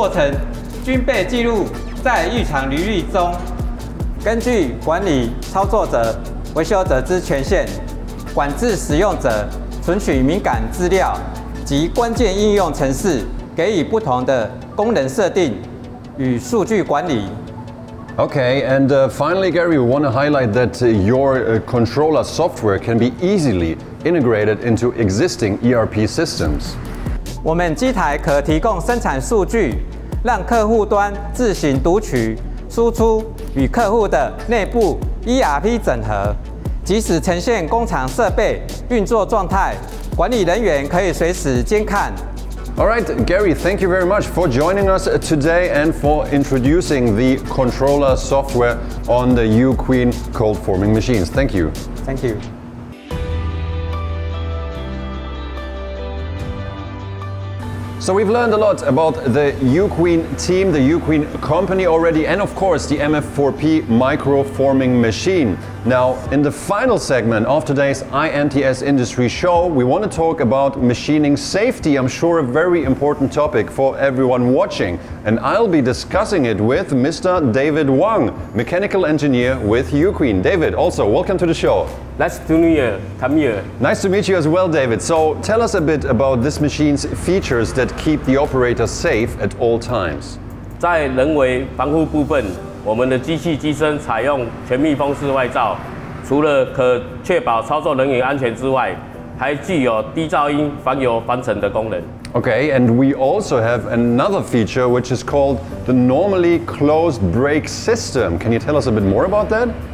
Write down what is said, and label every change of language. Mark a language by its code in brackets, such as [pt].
[zh] 透过模具生产次数的记录，以达到对模具供应商的数据管理及品质要求，并可预测并管控模具的采购周期。透过异常状态的追踪管理与分析，决策者能快速掌握生产过程中，即使进入异常处理流程，且所有处理过程均被记录。在异常履历中，根据管理操作者、维修者之权限，管制使用者存取敏感资料及关键应用程式，给予不同的功能设定与数据管理。 [en] Okay, and finally, Gary, we want to highlight that your controller software can be easily integrated into existing ERP systems. [zh] 我们机台可提供生产数据。让客户端自行读取、输出与客户的内部 ERP 整合，即使呈现工厂设备运作状态，管理人员可以随时监看。 [en] All right, Gary, thank you very much for joining us today and for introducing the controller software on the Uqueen cold forming machines. Thank you. Thank you. So we've learned a lot about the Uqueen team, the Uqueen company already, and of course the MF4P microforming machine. Now, in the final segment of today's IMTS Industry Show, we want to talk about machining safety. I'm sure a very important topic for everyone watching. And I'll be discussing it with Mr. David Wang, mechanical engineer with Uqueen. David, also, welcome to the show. Nice to meet you, come here. Nice to meet you as well, David. So tell us a bit about this machine's features that keep the operator safe at all times. [zh] 在人为防护部分, 我们的机器机身采用全密封式外罩，除了可确保操作人员安全之外，还具有低噪音防油防尘的功能。 [en] Okay, and we also have another feature which is called the normally closed brake system. Can you tell us a bit more about that?